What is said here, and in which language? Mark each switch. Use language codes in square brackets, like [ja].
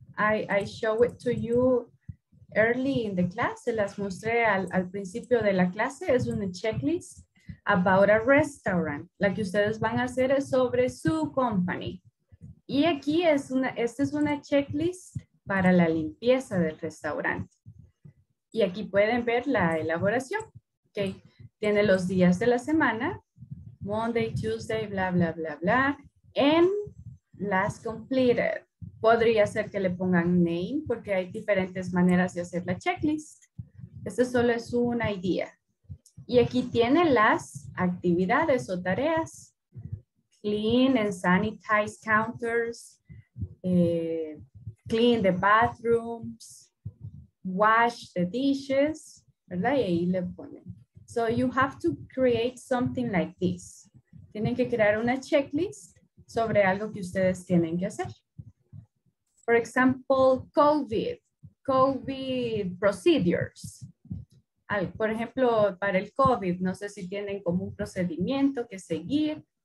[en] I show it to you early in the class. [es] Se las mostré al principio de la clase. Es una checklist [en] about a restaurant. [es] La que ustedes van a hacer es sobre su company. Y aquí es una, esta es una checklist para la limpieza del restaurante. Y aquí pueden ver la elaboración. Okay. Tiene los días de la semana. [en] Monday, Tuesday, bla, bla, bla, bla. And last completed. [es] Podría ser que le pongan name porque hay diferentes maneras de hacer la checklist. Este solo es una idea. Y aquí tiene las actividades o tareas. [en] Clean and sanitize counters. Clean the bathrooms. Wash the dishes. [es] ¿Verdad? Y ahí le ponen. [en] So you have to create something like this. [es] Tienen que crear una checklist sobre algo que ustedes tienen que hacer. [en] For example, COVID procedures. [es] Por ejemplo, para el COVID, no sé si tienen como un procedimiento que seguir.